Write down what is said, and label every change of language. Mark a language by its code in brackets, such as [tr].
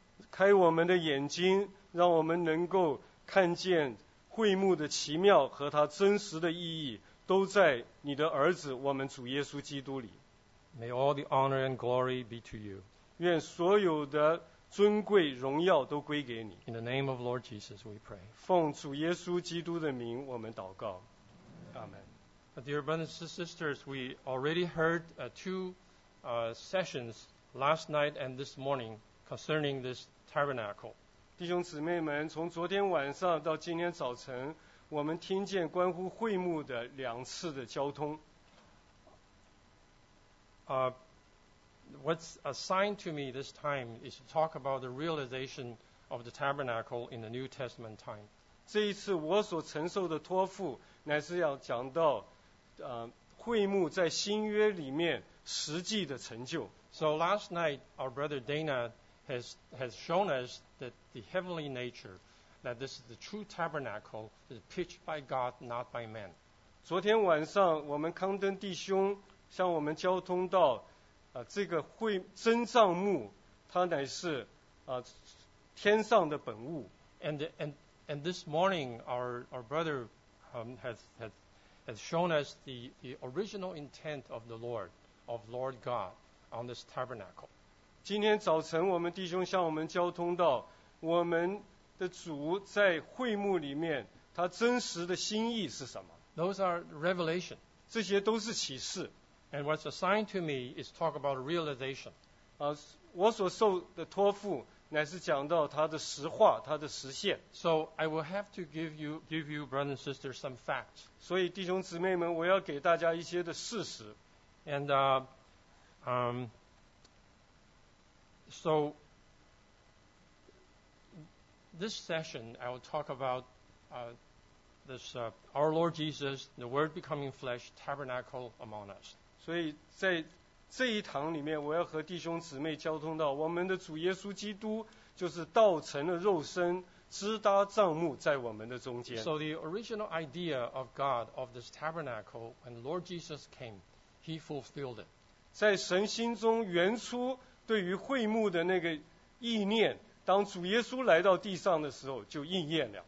[zh] 开我们的眼睛，让我们能够看见会幕的奇妙和它真实的意义，都在你的儿子，我们主耶稣基督里。 [en] May all the honor and glory be to you. [zh] 愿所有的尊贵荣耀都归给你。 [en] In the name of Lord Jesus, we pray. [zh] 奉主耶稣基督的名，我们祷告。 [en] Amen. Dear brothers and sisters, we already heard two sessions last night and this morning concerning this tabernacle. [zh] 弟兄姊妹们，从昨天晚上到今天早晨，我们听见关乎会幕的两次的交通。 [en] What's assigned to me this time is to talk about the realization of the tabernacle in the New Testament time. [zh] 这一次我所承受的托付乃是要讲到会幕在新约里面实际的成就。 [en] So last night, our brother Dana has shown us that the heavenly nature, that this is the true tabernacle, is pitched by God, not by man. [zh] 昨天晚上我们康登弟兄向我们交通到这个会真帐幕，它乃是天上的本物。 [en] And this morning our brother has shown us the original intent of the Lord, of Lord God on this tabernacle. [zh] 今天早晨我们弟兄向我们交通到，我们的主在会幕里面他真实的心意是什么。 [en] Those are revelation. [zh] 这些都是启示。 [en] And what's assigned to me is talk about realization. [zh] 我所受的托付乃是讲到它的实化，它的实现。 [en] So I will have to give you, brothers and sisters, some facts. [zh] 所以弟兄姊妹们，我要给大家一些的事实。 [en] And so this session I will talk about our Lord Jesus, the Word becoming flesh, tabernacle among us. [zh] 所以在这一堂里面，我要和弟兄姊妹交通到，我们的主耶稣基督就是道成了肉身，支搭帐幕在我们的中间。 [en] So the original idea of God of this tabernacle, when Lord Jesus came, He fulfilled it. [zh] 在神心中原初对于会幕的那个意念，当主耶稣来到地上的时候就应验了。